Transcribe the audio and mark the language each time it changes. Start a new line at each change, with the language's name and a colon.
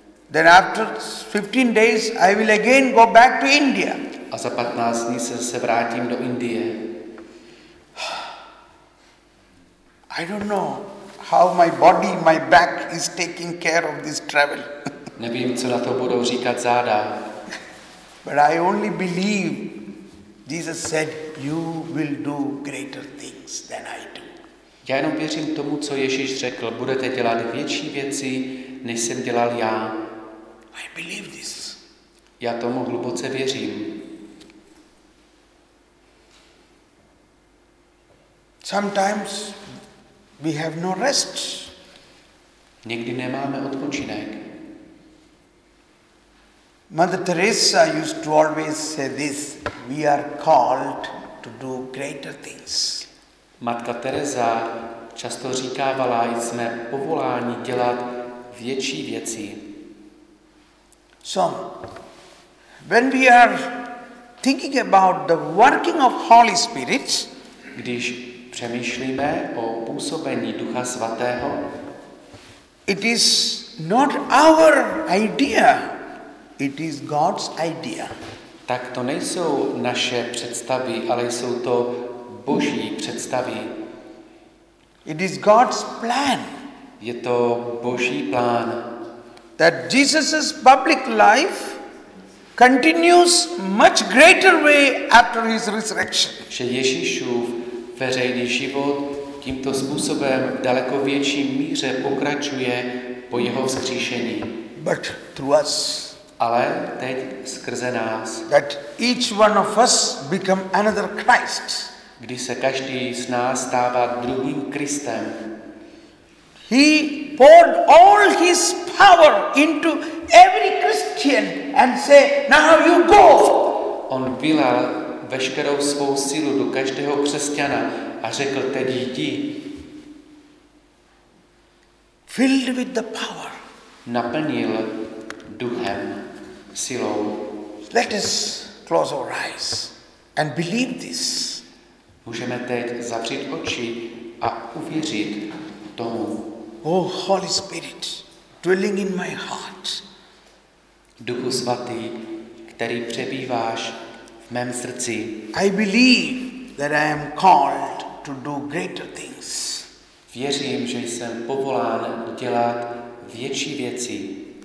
English: Then after 15 days I will again go back to India.
Czech: A za 15 dní se vrátím do Indie.
English: I don't know how my body, my back is taking care of this travel.
Czech: Nevím, co na to budou říkat záda.
English: But I only believe Jesus said you will do greater things than I do.
Czech: Já jenom věřím tomu, co Ježíš řekl, budete dělat větší věci, než jsem dělal já.
English: I believe this.
Czech: Já tomu hluboce věřím.
English: Sometimes we have no rest.
Czech: Někdy nemáme odpočinek.
English: Mother Teresa used to always say this, we are called to do greater things.
Czech: Matka Teresa často říkávala, jsme povoláni dělat větší věci.
English: So, when we are thinking about the working of Holy Spirit,
Czech: když přemýšlíme o působení Ducha Svatého,
English: it is not our idea, it is God's idea.
Czech: Tak to nejsou naše představy, ale jsou to Boží představy.
English: It is God's plan.
Czech: Je to Boží plán.
English: That Jesus's public life continues much greater way after his resurrection.
Czech: Že Ježíšův veřejný život tímto způsobem v daleko větší míře pokračuje po jeho vzkříšení.
English: But through us.
Czech: Ale teď skrze nás.
English: That each one of us become another Christ.
Czech: Kdy se každý z nás stává druhým Kristem.
English: He poured all his power into every Christian and say, now you go.
Czech: On vylal veškerou svou sílu do každého křesťana a řekl, teď jdi.
English: Filled with the power.
Czech: Naplnil duchem, silou.
English: Let us close our eyes and believe this.
Czech: Můžeme teď zavřít oči a uvěřit tomu.
English: Oh Holy Spirit, dwelling in my heart.
Czech: Duchu svatý, který přebýváš v mém srdci.
English: I believe that I am called to do greater things.
Czech: Věřím, že jsem povolán dělat větší věci.